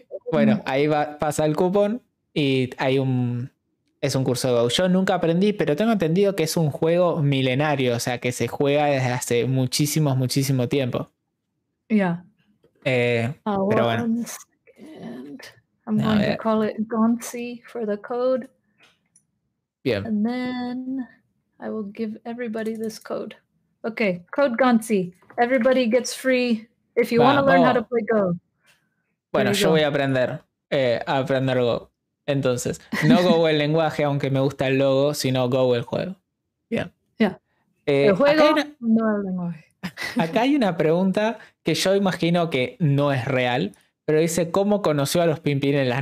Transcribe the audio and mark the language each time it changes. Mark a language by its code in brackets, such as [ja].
[es] Bueno, ahí pasa el cupón y hay un... Es un curso de Go. Yo nunca aprendí, pero tengo entendido que es un juego milenario. O sea, que se juega desde hace muchísimo tiempo. Pero bueno. [en] I'm going to call it Gonzi for the code. [es] Bien. [en] And then I will give everybody this code. Okay, code Gonzi. Everybody gets free if you want to learn how to play Go. [es] Bueno, yo voy a aprender. A aprender Go. Entonces, no Go el lenguaje, aunque me gusta el logo, sino Go el juego. Bien. Yeah. El juego, no el lenguaje. Acá hay una pregunta que yo imagino que no es real, pero dice, ¿cómo conoció a los Pimpinelas?